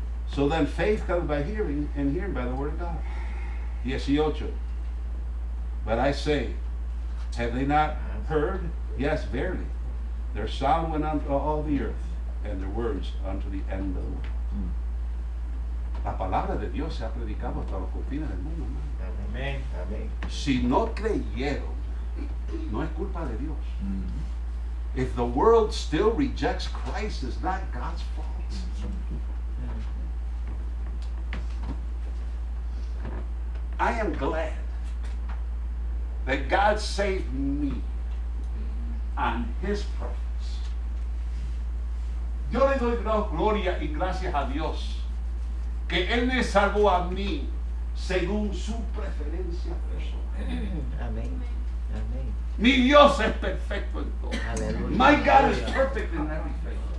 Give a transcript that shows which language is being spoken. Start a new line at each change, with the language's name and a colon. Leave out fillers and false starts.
English: So then faith comes by hearing, and hearing by the word of God. 18. But I say, have they not heard? Yes, verily. Their sound went unto all the earth, and their words unto the end of the world.
Spanish: La palabra de Dios se ha predicado hasta los confines del mundo. Amén. Si no creyeron, no es culpa de Dios.
English: If the world still rejects Christ, it's not God's fault. I am glad that God saved me on his purpose.
Spanish: Yo le doy gloria y gracias a Dios que él me salvó a mí según su preferencia personal. Amén. Mi Dios es perfecto en todo.
English: My God is perfect in everything.